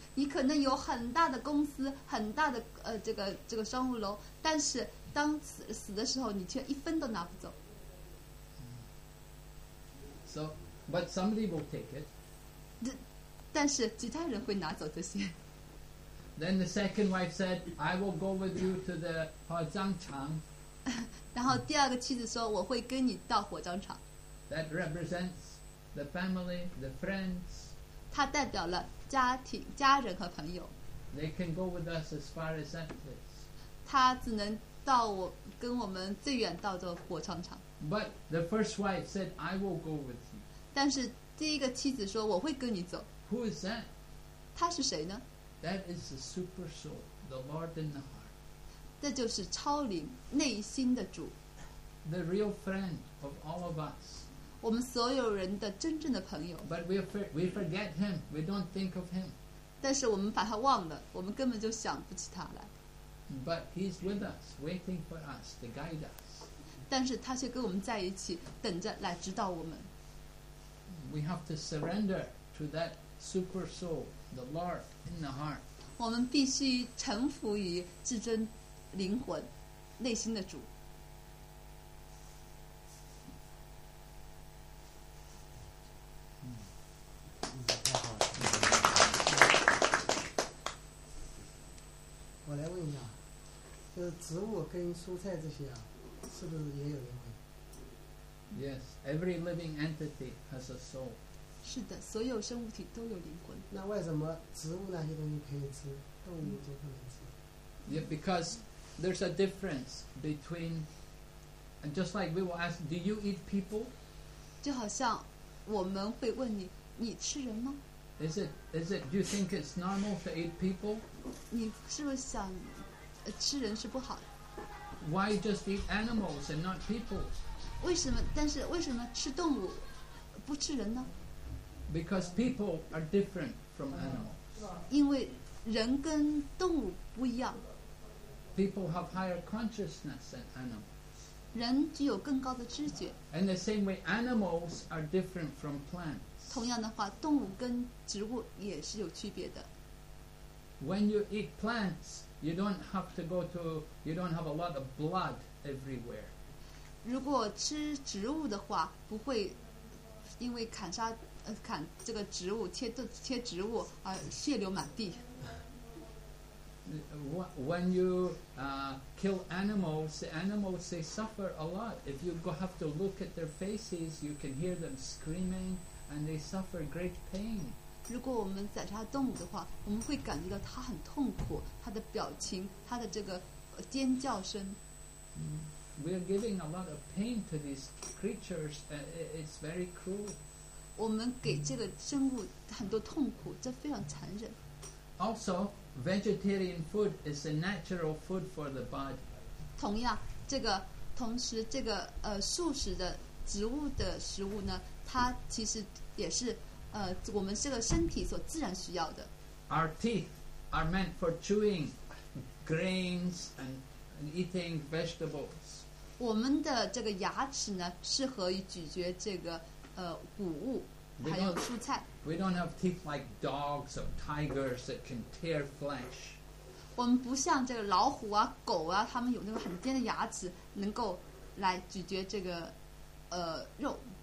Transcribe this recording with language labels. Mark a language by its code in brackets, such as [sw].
[zh] 你可能有很大的公司，很大的这个商务楼，但是当死的时候，你却一分都拿不走。 [en] So, but somebody will take it. [zh] 但是其他人会拿走这些。 [en] Then the second wife said, "I will go with you to the 火葬场." [zh] 然后第二个妻子说，我会跟你到火葬场。 [en] That represents the family, the friends. [zh] 它代表了家庭、家人和朋友。 [en] They can go with us as far as that place. [zh] 他只能到我跟我们最远到的火葬场。 [en] But the first wife said, "I will go with you." [zh] 但是第一个妻子说，我会跟你走。 [en] Who is that? [zh] 他是谁呢? [en] That is the super soul, the Lord in the heart. [zh] 这就是超灵内心的主。 [en] The real friend of all of us. [zh] 我们所有人的真正的朋友。 [en] But we forget him. We don't think of him. [zh] 但是我们把他忘了，我们根本就想不起他来。 [en] But he's with us, waiting for us to guide us. [zh] 但是他却跟我们在一起，等着来指导我们。 [en] We have to surrender to that super soul, the Lord in the heart. [zh] 我们必须臣服于至真灵魂内心的主。我来问一下，就是植物跟蔬菜这些啊，是不是也有灵魂？ [en] Yes, every living entity has a soul. [zh] 是的，所有生物体都有灵魂。那为什么植物那些东西可以吃，动物就不能吃？ [en] Yeah, because there's a difference between, and just like we will ask, do you eat people? [zh] 就好像我们会问你，你吃人吗？ [en] Is it? Do you think it's normal to eat people? [zh] 你是不是想，吃人是不好的？ [en] Why just eat animals and not people? [zh] 为什么？但是为什么吃动物，不吃人呢？ [en] Because people are different from animals. [zh] 因为人跟动物不一样。 [en] People have higher consciousness than animals. [zh] 人具有更高的知觉。 [en] And the same way, animals are different from plants. [zh] 同样的话，动物跟植物也是有区别的。 [en] When you eat plants, you don't have to go to, you don't have a lot of blood everywhere. [zh] 如果吃植物的话，不会因为砍杀。砍这个植物，切植物，血流满地。 [en] When you kill animals, the animals they suffer a lot. If you have to look at their faces, you can hear them screaming, and they suffer great pain. [zh] 如果我们宰杀动物的话，我们会感觉到它很痛苦，它的表情，它的这个尖叫声。 [en] We are giving a lot of pain to these creatures. It's very cruel. [zh] 我们给这个生物很多痛苦，这非常残忍。 [en] Also, vegetarian food is a natural food for the body. [zh] 同时这个素食的植物的食物呢，它其实也是我们这个身体所自然需要的。 [en] Our teeth are meant for chewing grains and eating vegetables. [zh] 我们的这个牙齿呢，适合于咀嚼这个。 [en] We don't have teeth like dogs or tigers that can tear flesh. [zh] 我们不像这个老虎啊、狗啊，他们有那个很尖的牙齿，能够来咀嚼这个肉。